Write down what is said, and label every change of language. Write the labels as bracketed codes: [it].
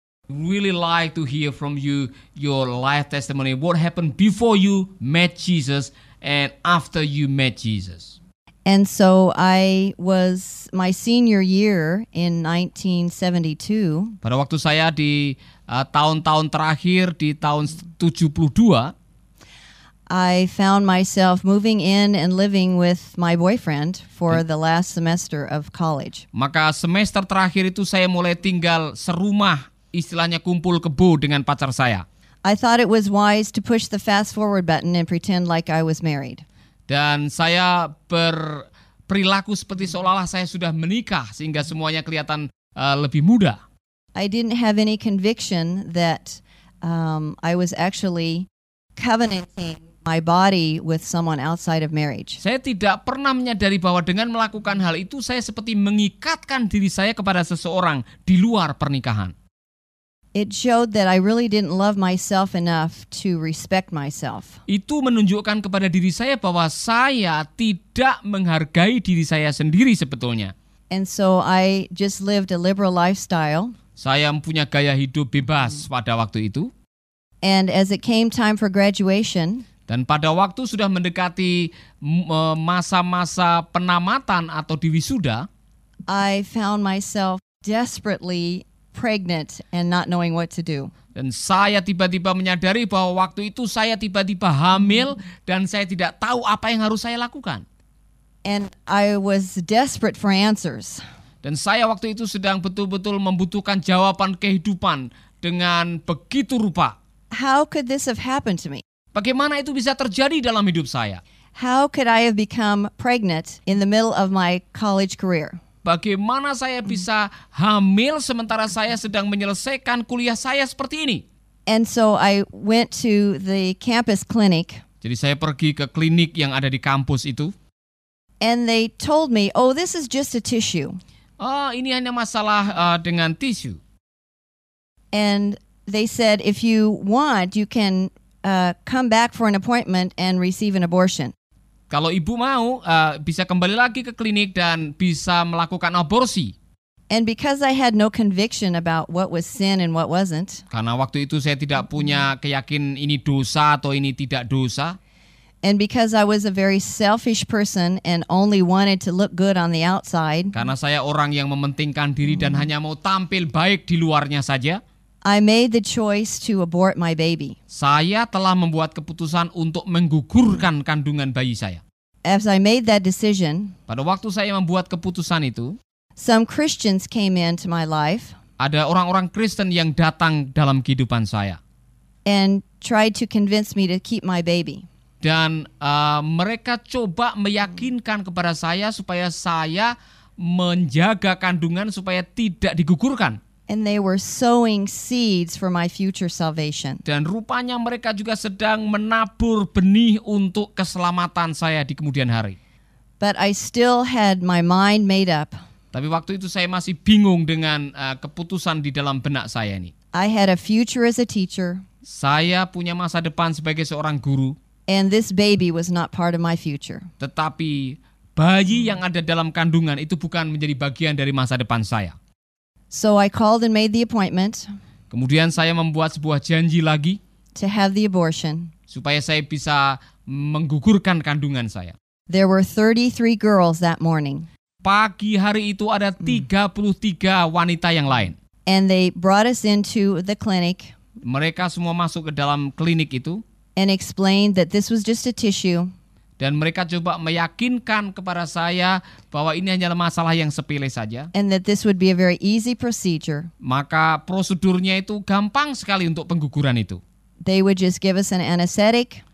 [en] Really like to hear from you, your life testimony, what happened before you met Jesus and after you met Jesus. And so I was my senior year in 1972. [id] Pada waktu saya di tahun-tahun terakhir di tahun 72, [en] I found myself moving in and living with my boyfriend for the last semester of college. [id] Maka semester terakhir itu saya mulai tinggal serumah, istilahnya kumpul kebo dengan pacar saya. [en] I thought it was wise to push the fast forward button and pretend like I was married. [id] Dan saya berperilaku seperti seolah-olah saya sudah menikah sehingga semuanya kelihatan lebih mudah. [en] I didn't have any conviction that I was actually covenanting my body with someone outside of marriage. [id] Saya tidak pernah menyadari bahwa dengan melakukan hal itu saya seperti mengikatkan diri saya kepada seseorang di luar pernikahan. [en] It showed that I really didn't love myself enough to respect myself. [id] Itu menunjukkan kepada diri saya bahwa saya tidak menghargai diri saya sendiri sebetulnya. [en] And so I just lived a liberal lifestyle. [id] Saya punya gaya hidup bebas pada waktu itu. [en] And as it came time for graduation, [id] dan pada waktu sudah mendekati masa-masa penamatan atau diwisuda, [en] I found myself desperately pregnant and not knowing what to do. [id] Dan saya tiba-tiba menyadari bahwa waktu itu saya tiba-tiba hamil dan saya tidak tahu apa yang harus saya lakukan. [en] And I was desperate for answers. [id] Dan saya waktu itu sedang betul-betul membutuhkan jawaban kehidupan dengan begitu rupa. [en] How could this have happened to me? [id] Bagaimana itu bisa terjadi dalam hidup saya? [en] How could I have become pregnant in the middle of my college career? [id] Bagaimana saya bisa hamil sementara saya sedang menyelesaikan kuliah saya seperti ini? [en] And so I went to the campus clinic. [id] Jadi saya pergi ke klinik yang ada di kampus itu. [en] And they told me, "Oh, this is just a tissue." [id] Oh, ini hanya masalah dengan tisu. [en] And they said, "If you want, you can come back for an appointment and receive an abortion." [id] Kalau ibu mau, bisa kembali lagi ke klinik dan bisa melakukan aborsi. [en] And because I had no conviction about what was sin and what wasn't. [id] Karena waktu itu saya tidak punya keyakinan ini dosa atau ini tidak dosa. [en] And because I was a very selfish person and only wanted to look good on the outside. [id] Karena saya orang yang mementingkan diri dan hanya mau tampil baik di luarnya saja. [en] I made the choice to abort my baby. [id] Saya telah membuat keputusan untuk menggugurkan kandungan bayi saya. [en] As I made that decision, [id] pada waktu saya membuat keputusan itu, [en] some Christians came into my life. [id] Ada orang-orang Kristen yang datang dalam kehidupan saya. [en] And tried to convince me to keep my baby. [id] Dan mereka coba meyakinkan kepada saya supaya saya menjaga kandungan supaya tidak digugurkan. [en] And they were sowing seeds for my future salvation. [id] Dan rupanya mereka juga sedang menabur benih untuk keselamatan saya di kemudian hari. [en] But I still had my mind made up. [id] Tapi waktu itu saya masih bingung dengan keputusan di dalam benak saya ini. [en] I had a future as a teacher. [id] Saya punya masa depan sebagai seorang guru. [en] And this baby was not part of my future. [id] Tetapi bayi yang ada dalam kandungan itu bukan menjadi bagian dari masa depan saya. [en] So I called and made the appointment. [id] Kemudian saya membuat sebuah janji lagi. [en] To have the abortion. [id] Supaya saya bisa menggugurkan kandungan saya. [en] There were 33 girls that morning. [id] Pagi hari itu ada 33 wanita yang lain. [en] And they brought us into the clinic. [id] Mereka semua masuk ke dalam klinik itu. [en] And explained that this was just a tissue. [id] Dan mereka coba meyakinkan kepada saya bahwa ini hanyalah masalah yang sepele saja. [en] And that this would be a very easy procedure. [id] Maka prosedurnya itu gampang sekali untuk pengguguran itu. [en] They would just give us an anesthetic.